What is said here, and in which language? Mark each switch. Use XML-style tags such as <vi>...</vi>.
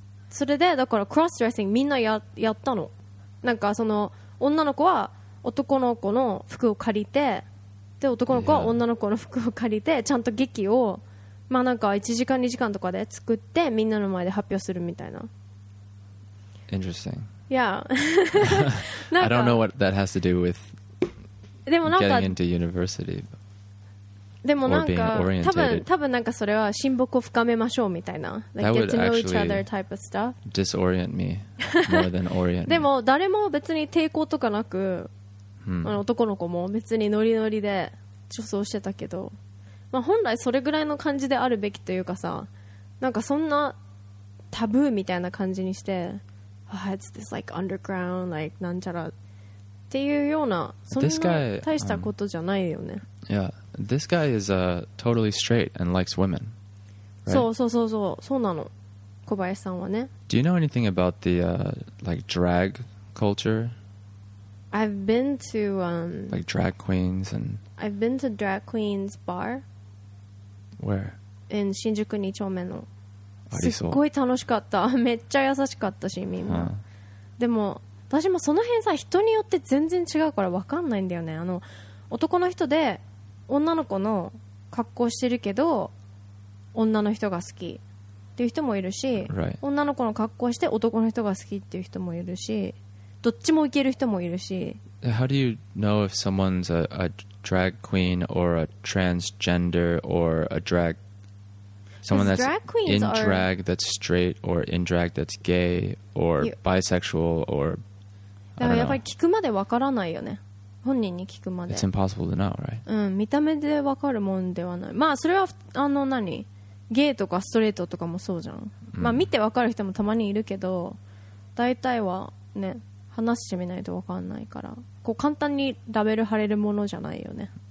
<ja>それでだからクロスドレッシングみんな やったの。なんかその女の子は男の子の服を借りて、で男の子は女の子の服を借りて、ちゃんと劇をまあなんか1時間2時間とかで作ってみんなの前で発表するみたいな。</ja> <en>Interesting. Yeah. I don't know what that has to do with getting into university.</en> <ja>でもなんか多分なんかそれは親睦を深めましょうみたいな、like、</ja> <en>that get to know each other type of stuff. Disorient me more than orient.</en> <ja>でも誰も別に抵抗とかなく、あの男の子も別にノリノリで女装してたけど。まあ、本来それぐらいの感じであるべきというかさ、なんかそんなタブーみたいな感じにして、</ja> <en>oh, it's this like underground, like</en> <ja>なんちゃらっていうような、そんな大したことじゃないよね。</ja> <en>Yeah, this guy is totally straight and likes women, right?</en> <ja>そうなの、小林さんはね。</ja> <en>Do you know anything about the like drag culture? I've been to like drag queens and I've been to drag queens bar. Where?</en> <ja>In 新宿二丁目の。ありそう。すっごい楽しかった。めっちゃ優しかったし、みんな。でも、私もその辺さ、人によって全然違うから分かんないんだよね。あの、男の人で女の子の格好してるけど、女の人が好きっていう人もいるし、</ja> <en>right.</en> <ja>女の子の格好して男の人が好きっていう人もいるし、どっちも行ける人もいるし。</ja> <en>How do you know if someone's a drag queen or a transgender or a drag someone that's drag queens in drag that's straight or in drag that's gay or bisexual or</en> <ja>だからやっぱり聞くまでわからないよね、本人に聞くまで。</ja> <en>It's impossible to know, right?</en> <ja>うん、見た目でわかるもんではない。まあそれはあの何、ゲイとかストレートとかもそうじゃん、まあ見てわかる人もたまにいるけど、大体はね話してみないとわかんないから、こう簡単にラベル貼れるものじゃないよね。</ja>